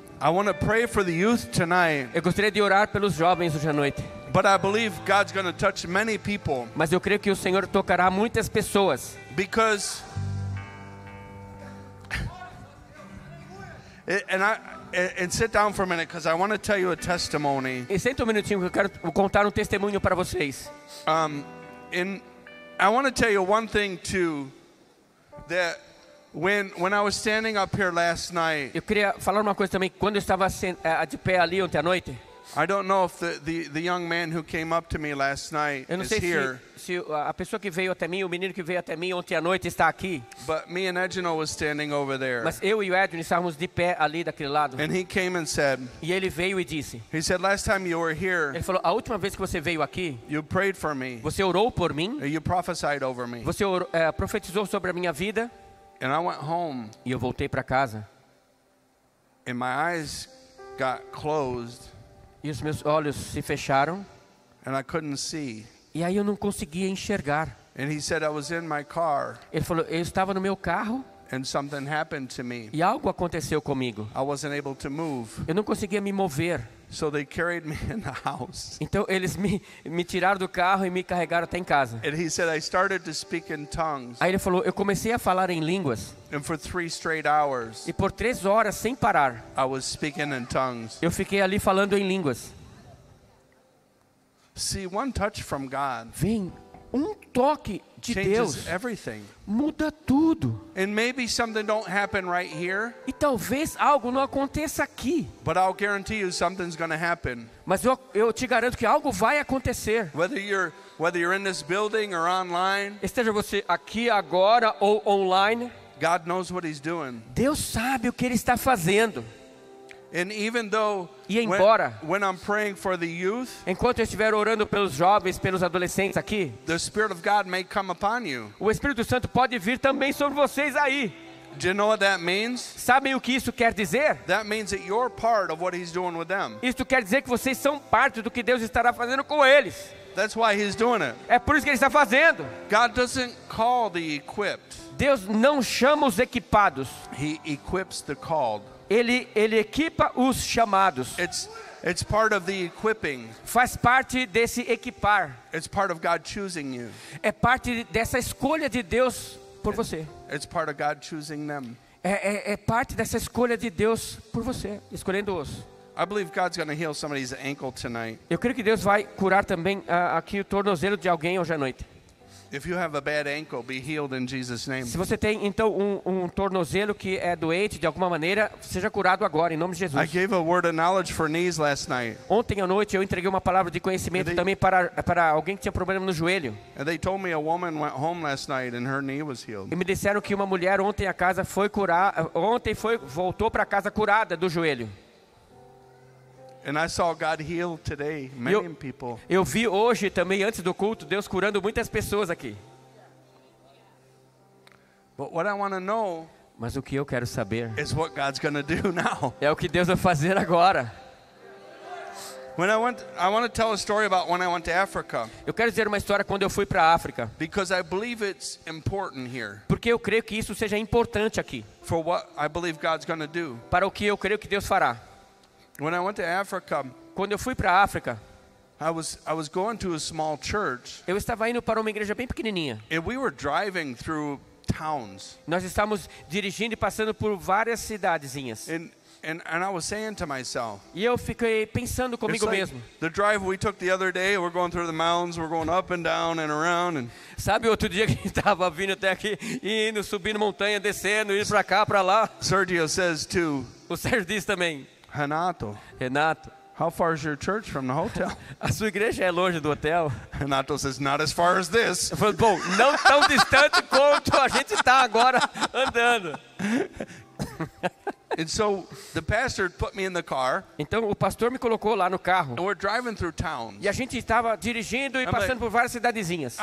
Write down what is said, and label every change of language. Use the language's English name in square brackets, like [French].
[English] I want to pray for the youth tonight. [Portuguese] Eu gostaria de orar pelos jovens hoje à noite. [English] But I believe God's going to touch many people. [Portuguese] Mas eu creio que o Senhor tocará muitas pessoas. [English] Because and sit down for a minute because I want to tell you a testimony. [Portuguese] E senta um minutinho que eu quero contar um testemunho para vocês. [English] And I want to tell you one thing too, that when I was standing up here last night, [Portuguese] eu queria falar uma coisa também quando eu estava de pé ali ontem à noite. [English] I don't know if the young man who came up to me last night is here. [Portuguese] Se a pessoa que veio até mim, o menino que veio até mim ontem à noite está aqui. [English] But me and Edno was standing over there. [Portuguese] Mas eu e o Edno estávamos de pé ali daquele lado. [English] And he came and said. [Portuguese] E ele veio e disse. [English] He said last time you were here. [Portuguese] Ele falou a última vez que você veio aqui. [English] You prayed for me. [Portuguese] Você orou por mim. [English] You prophesied over me. [Portuguese] Você profetizou sobre a minha vida. [English] And I went home. [Portuguese] E eu voltei para casa. [English] And my eyes got closed. [Portuguese] E os meus olhos se fecharam. [English] And I couldn't see. [Portuguese] E aí eu não conseguia enxergar. [English] And he said I was in my car. [Portuguese] Ele falou, eu estava no meu carro. [English] And something happened to me. [Portuguese] E algo aconteceu comigo. [English] I wasn't able to move. [Portuguese] Eu não conseguia me mover. [English] So they carried me in the house. [Portuguese] Então eles me tiraram do carro e me carregaram até em casa. [English] And he said I started to speak in tongues. [Portuguese] Aí ele falou, eu comecei a falar em línguas. [English] And for 3 straight hours. [Portuguese] E por 3 horas sem parar. [English] I was speaking in tongues. [Portuguese] Eu fiquei ali falando em línguas. [English] See, one touch from God. [Portuguese] Vem um toque de [English] changes [Portuguese] Deus. [English] Everything. [Portuguese] Muda tudo. [English] And maybe something don't happen right here. [Portuguese] E talvez algo não aconteça aqui. [English] But I'll guarantee you something's gonna happen. [Portuguese] Mas eu te garanto que algo vai acontecer. [English] Whether you're in this building or online. [Portuguese] Esteja você aqui agora ou online. [English] God knows what he's doing. [Portuguese] Deus sabe o que ele está fazendo. [English] And even though when I'm praying for the youth, [Portuguese] enquanto eu estiver orando pelos jovens, pelos adolescentes aqui, [English] the Spirit of God may come upon you. [Portuguese] O Espírito Santo pode vir também sobre vocês aí. [English] Do you know what that means? [Portuguese] Sabem o que isso quer dizer? [English] That means that you're part of what he's doing with them. [Portuguese] Isso quer dizer que vocês são parte do que Deus estará fazendo com eles. [English] That's why he's doing it. [Portuguese] É por isso que ele está fazendo. [English] God doesn't call the equipped. [Portuguese] Deus não chama os equipados. [English] He equips the called. [Portuguese] Ele equipa os chamados. [English] It's part of the equipping. [Portuguese] Faz parte desse equipar. [English] It's part of God choosing you. [Portuguese] É parte dessa escolha de Deus por você. [English] It's part of God choosing them. [Portuguese] É parte dessa escolha de Deus por você, escolhendo-os. [English] I believe God's going to heal somebody's ankle tonight. [Portuguese] Eu creio que Deus vai curar também aqui o tornozelo de alguém hoje à noite. [English] If you have a bad ankle, be healed in Jesus' name. [Portuguese] Se você tem então um tornozelo que é doente de alguma maneira, seja curado agora em nome de Jesus. [English] I gave a word of knowledge for knees last night. [Portuguese] Ontem à noite eu entreguei uma palavra de conhecimento também para alguém que tinha problema no joelho. [English] And they told me a woman went home last night and her knee was healed. [Portuguese] E me disseram que uma mulher ontem à casa foi curada, ontem foi voltou para casa curada do joelho. [English] And I saw God heal today many people. [Portuguese] Eu vi hoje também antes do culto Deus curando muitas pessoas aqui. [English] But what I want to know, [Portuguese] mas o que eu quero saber, [English] is what God's going to do now. [Portuguese] É o que Deus vai fazer agora. [English] When I want to tell a story about when I went to Africa. [Portuguese] Eu quero dizer uma história quando eu fui para a África. [English] Because I believe it's important here. [Portuguese] Porque eu creio que isso seja importante aqui. [English] For what I believe God's going to do. [Portuguese] Para o que eu creio que Deus fará. [English] When I went to Africa, [Portuguese] quando eu fui para a África, [English] I was going to a small church. [Portuguese] Eu estava indo para uma igreja bem pequenininha. [English] And we were driving through towns. [Portuguese] Nós estávamos dirigindo e passando por várias cidadezinhas. [English] And I was saying to myself. [Portuguese] E eu fiquei pensando comigo mesmo. [English] The drive we took the other day, we're going through the mountains, we're going up and down and around. And [Portuguese] sabe outro dia que a gente estava vindo até aqui, indo, subindo montanha, descendo, indo para cá, para lá. [English] Sergio says too. [Portuguese] O Sérgio diz também. [English] Renato, how far is your church from the hotel? [Portuguese] A sua igreja é longe do hotel? [English] Renato says, not as far as this. [Portuguese] Bom, não tão distante quanto a gente está agora andando. [English] And so the pastor put me in the car. [Portuguese] Então o pastor me colocou lá no carro. [English] And we're driving through towns. [Portuguese] E a gente estava dirigindo e passando por várias cidadezinhas.